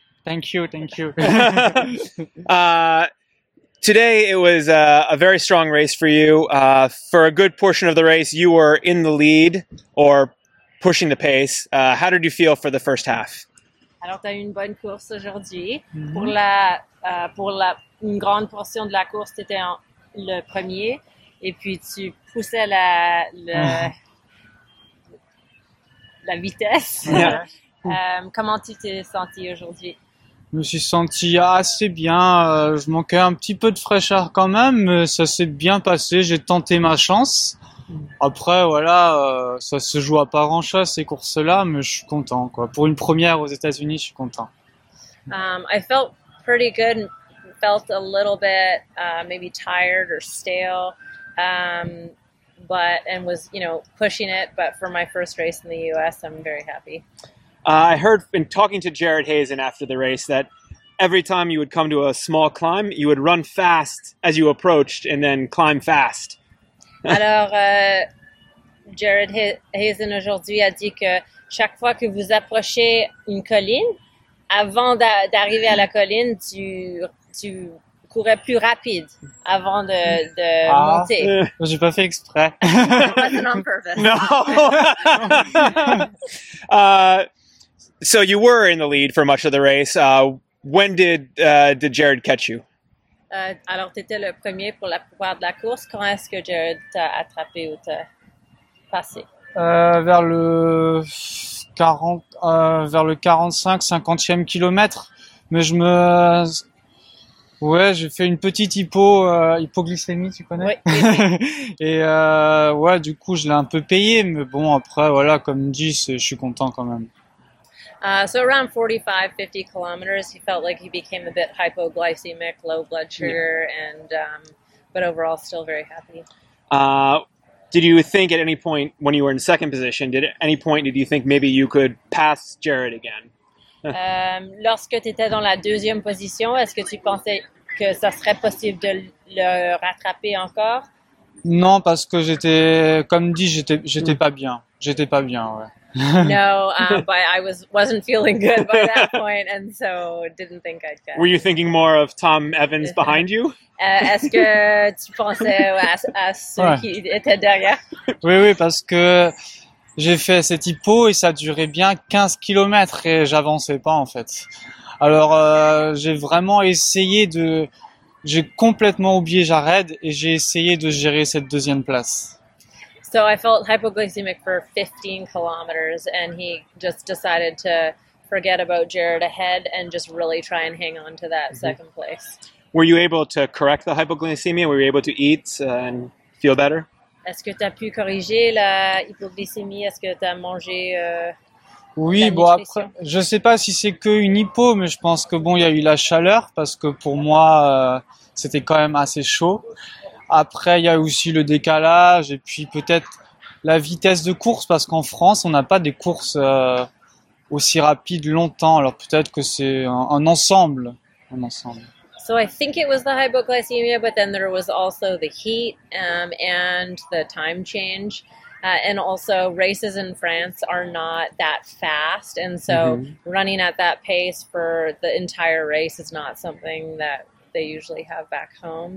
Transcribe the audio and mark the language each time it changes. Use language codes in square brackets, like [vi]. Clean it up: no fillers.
[en] Thank you. Today it was a very strong race for you. For a good portion of the race, you were in the lead or pushing the pace. How did you feel for the first half? [fr] Alors, t'as eu une bonne course aujourd'hui. Mm-hmm. Pour une grande portion de la course, t'étais le premier. Et puis, tu poussais la vitesse. [en] Yeah. [fr] Comment tu t'es senti aujourd'hui? Je me suis senti assez bien. Je manquais un petit peu de fraîcheur quand même, mais ça s'est bien passé. J'ai tenté ma chance. Après, voilà, ça se joue à part en chasse ces courses-là, mais je suis content, quoi. Pour une première aux États-Unis, je suis content. [en] I felt pretty good. Felt a little bit maybe tired or stale, but and was, you know, pushing it. But for my first race in the U.S., I'm very happy. I heard in talking to Jared Hazen after the race that every time you would come to a small climb, you would run fast as you approached and then climb fast. [fr] Alors, Jared Hazen aujourd'hui a dit que chaque fois que vous approchez une colline, avant d'arriver à la colline, tu courais plus rapide avant de monter. J'ai pas fait exprès. [en] That's not on purpose. No. So you were in the lead for much of the race. When did Jared catch you? [fr] Alors t'étais le premier pour la plupart de la course. Quand est-ce que Jared t'a attrapé ou t'a passé? Vers le 45-50e kilomètre. Mais je me ouais, j'ai fait une petite hypoglycémie, tu connais? Oui. Et ouais, du coup, je l'ai un peu payé, mais bon, après voilà, comme dit, je suis content quand même. [en] So around 45-50 kilometers, he felt like he became a bit hypoglycemic, low blood sugar, but overall still very happy. Did you think at any point when you were in second position, did you think maybe you could pass Jared again? [fr] Lorsque tu étais dans la deuxième position, est-ce que tu pensais que ça serait possible de le rattraper encore? Non, parce que j'étais pas bien. J'étais pas bien, ouais. [en] No, but I wasn't feeling good by that point, and so didn't think I'd get. Were you thinking more of Tom Evans behind you? [fr] Est-ce que tu pensais à ceux ouais. qui étaient derrière? Oui, parce que j'ai fait cette hypo et ça durait bien 15 kilomètres et j'avançais pas en fait. Alors j'ai vraiment essayé de, j'ai complètement oublié Jared et j'ai essayé de gérer cette deuxième place. [en] So I felt hypoglycemic for 15 kilometers and he just decided to forget about Jared ahead and just really try and hang on to that second place. Were you able to correct the hypoglycemia? Were you able to eat and feel better? [fr] Est-ce que tu as pu corriger la hypoglycémie? Est-ce que tu as mangé Oui, bon après, je sais pas si c'est que une hypo, mais je pense que bon, il y a eu la chaleur parce que pour moi, c'était quand même assez chaud. Après, il y a aussi le décalage et puis peut-être la vitesse de course parce qu'en France, on n'a pas des courses aussi rapides longtemps. Alors peut-être que c'est un ensemble. [en] So I think it was the hypoglycemia, but then there was also the heat and the time change. And also races in France are not that fast. And so running at that pace for the entire race is not something that they usually have back home.